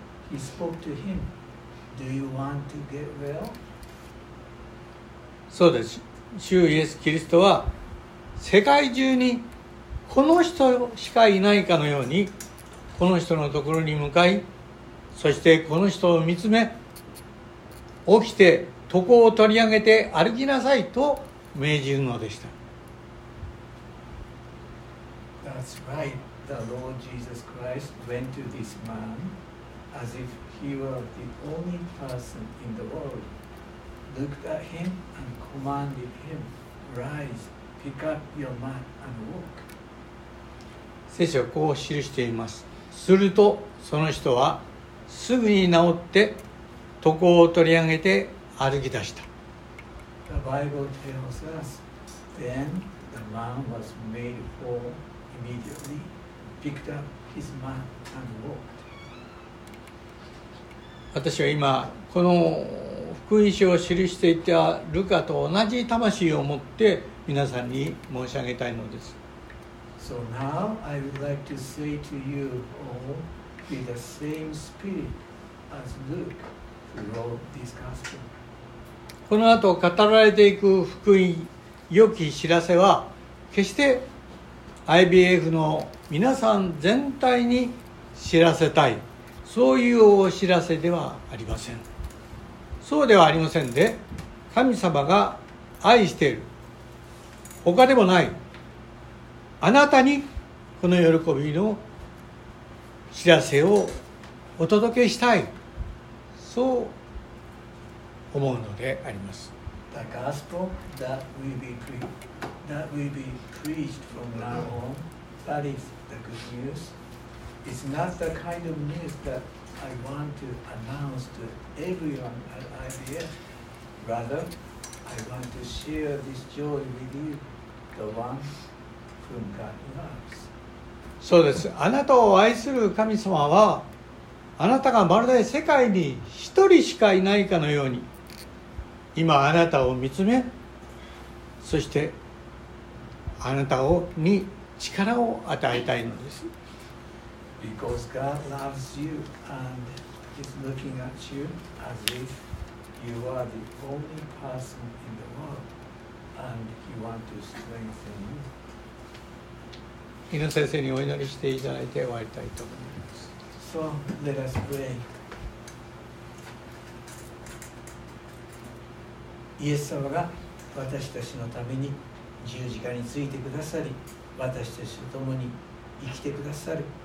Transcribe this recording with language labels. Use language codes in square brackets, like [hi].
[en] He spoke to him, Do you want to get well? [ja] そうです。主イエス・キリストは世界中にこの人しかいないかのようにこの人のところに向かい、そしてこの人を見つめ、起きて床を取り上げて歩きなさいと命じるのでした。 [en] That's right. The Lord Jesus Christ went to this man as if he were the only person in the world, looked at him and commanded him, Rise, pick up your mat and walk. [ja] 聖書はこう記しています。するとその人はすぐに治って床を取り上げて歩き出した。 [en] The Bible tells us, then the man was made whole immediately, picked up his mat and walked. [ja] 私は今この福音書を記していたルカと同じ魂を持って皆さんに申し上げたいのです。 [en] So now I would like to say to you all, with the same spirit as Luke who wrote this gospel. [ja] この後語られていく福音、良き知らせは決して IBF の皆さん全体に知らせたい、そういうお知らせではありません。そうではありませんで、神様が愛している他でもないあなたにこの喜びの知らせをお届けしたい、そう思うのであります。 [en] The gospel that will be preached from now on, that is the good news, is not the kind of news that I want to announce to everyone at IBF. Rather, I want to share this joy with you, the one whom God loves. [ja] そうです。あなたを愛する神様は、あなたがまるで世界に一人しかいないかのように今あなたを見つめ、そしてあなたをに力を与えたいのです。 [en] Because God loves you and is looking at you as if you are the only person in the world, and He wants to strengthen you. [ja] 井上先生にお祈りしていただいて終わりたいと思います。 [en] So let us pray. [ja] イエス様が私たちのために十字架についてくださり、私たちと共に生きてくださる。